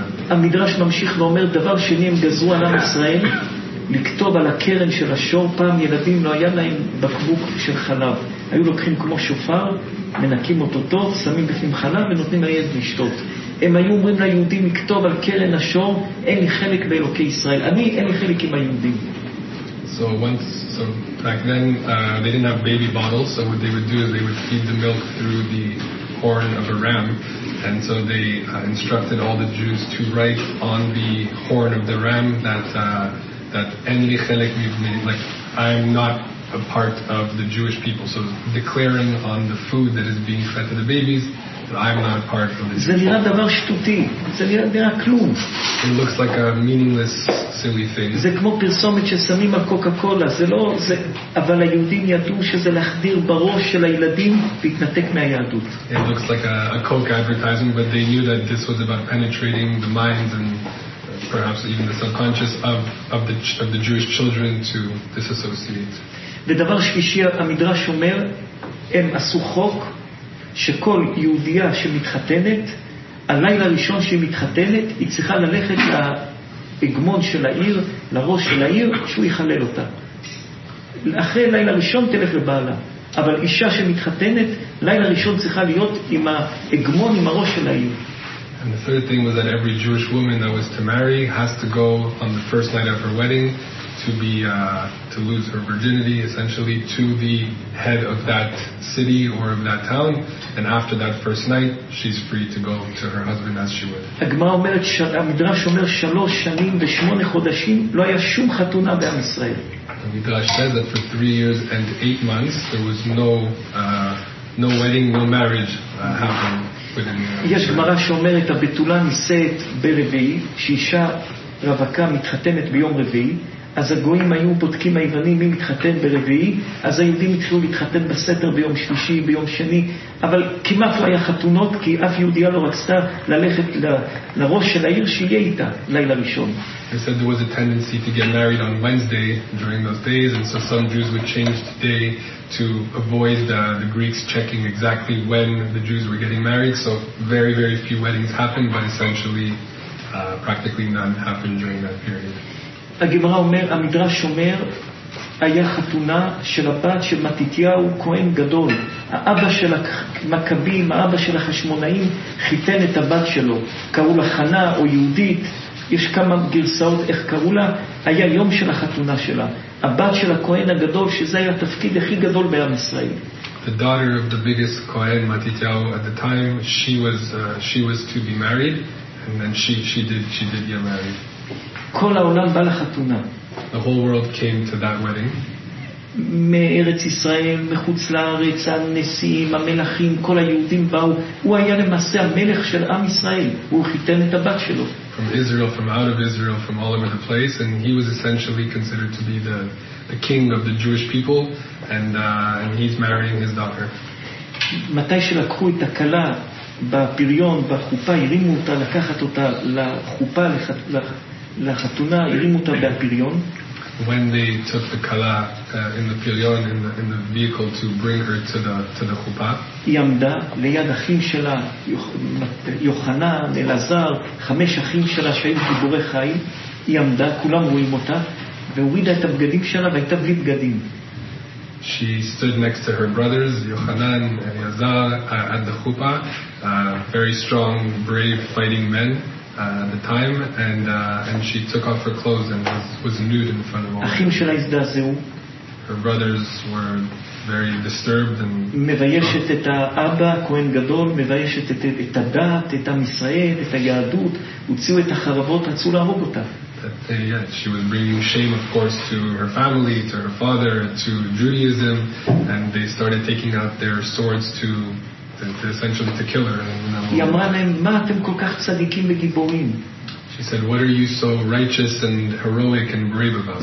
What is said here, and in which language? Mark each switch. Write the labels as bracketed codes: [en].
[he] המדרש ממשיך ואומר דבר שני הם גזרו על עם ישראל לכתוב על הקרן של השור פעם ילדים לא היה להם בקבוק של חלב היו לוקחים כמו שופר מנקים אותו טוב שמים בפנים חלב ונותנים לילד לשתות הם היו אומרים ליהודים לכתוב על קרן השור אין לי חלק באלוקי ישראל אני אין לי חלק עם היהודים [en] So back then they didn't have baby bottles so what they would do is they would feed the milk through the horn of a ram and so they instructed all the Jews to write on the horn of the ram that [he] en li chelek mivne [en] like I'm not a part of the Jewish people so declaring on the food that is being fed to the babies that I'm not a part of the Jewish people [he] זה נראה דבר שטותי זה נראה כלום [en] it looks like a meaningless silly thing [he] זה כמו פרסומת ששמים על קוקה קולה זה לא זה אבל היהודים ידעו שזה להחדיר בראש של הילדים להתנתק מהיהדות [en] it looks like a Coke advertisement but they knew that this was about penetrating the minds and perhaps even the subconscious of the Jewish children to disassociate [he] ודבר שלישי המדרש אומר הם עשו חוק שכל יהודיה שמתחתנת הלילה הראשון שהיא מתחתנת היא צריכה ללכת לאגמון של העיר לראש של העיר שהוא יחלל אותה אחרי לילה ראשון תלך לבעלה אבל אישה שמתחתנת לילה ראשון צריכה להיות עם האגמון עם הראש של העיר [en] And the third thing was that every Jewish woman that was to marry has to go on the first night of her wedding to be to lose her virginity essentially to the head of that city or of that town and after that first night she's free to go to her husband as she would. [he] הגמרא אומרת המדרש אומר 3 שנים ו-8 חודשים לא היה שום חתונה בעם ישראל. [en] The Midrash says that for 3 years and 8 months there was no wedding, no marriage happened. [he] יש גמרא שאומרת הבתולה נישאת ברביעי שאישה רווקה מתחתנת ביום רביעי אז הגויים היו בודקים היוונים מי מתחתן ברביעי, אז היהודים התחילו להתחתן בסתר ביום שלישי, ביום שני, אבל כמעט לא היה חתונות, כי אף יהודיה לא רצתה ללכת לראש של העיר שיהיה איתה לילה ראשון. [en] They said there was a tendency to get married on Wednesday during those days, and so some Jews would change the day to avoid the Greeks checking exactly when the Jews were getting married, so very, very few weddings happened, but essentially practically none happened during that period. [he] הגמרא אומר, המדרש אומר, היה חתונה של הבת של מתתיהו כהן גדול. האבא של המכבים, האבא של החשמונאים, חיתן את הבת שלו. קראו לה חנה או יהודית, יש כמה גרסאות איך קראו לה, היה יום של החתונה שלה. הבת של הכהן הגדול, שזה היה התפקיד הכי גדול בעם ישראל. [en] The daughter of the biggest Kohen, Matityahu, at the time, she was to be married, and then she did get married. [he] כל העולם בא לחתונה. [en] The whole world came to that wedding. [he] מארץ ישראל, מחוץ לארץ, הנשיאים, המלכים, כל היהודים באו. הוא היה למעשה המלך של עם ישראל. הוא חיתן את הבת שלו. [en] From Israel, from out of Israel, from all over the place, and he was essentially considered to be the king of the Jewish people, and he's marrying his daughter. [he] מתי שלקחו את הכלה בפריון, בחופה, הרימו אותה, לקחת אותה לחופה, לחתונה, הרימו אותה בפריון. [en] When they took the kala in the pilyon, in the vehicle to bring her to the chupa, [he] היא עמדה ליד אחים שלה, יוחנן, אלעזר, חמש אחים שלה שהיו גיבורי חיים. היא עמדה, כולם רואים אותה, והורידה את הבגדים שלה והייתה בלי בגדים. [en] She stood next to her brothers, Yochanan and Eleazar, at the chupa, very strong, brave, fighting men. At the time, and she took off her clothes and was nude in front of all. [he] אחים שלה הזדעזעו. [en] Her brothers were very disturbed and [he] מביישת את האבא כהן גדול, מביישת את הדת, את עם ישראל, את היהדות, הוציאו את החרבות, רצו להרוג אותה. [en] Yeah, she was bringing shame, of course, to her family, to her father, to Judaism, and they started taking out their swords to essentially to kill her. [he] היא אמרה להם, מה אתם כל כך צדיקים וגיבורים? [en] She said, what are you so righteous and heroic and brave about?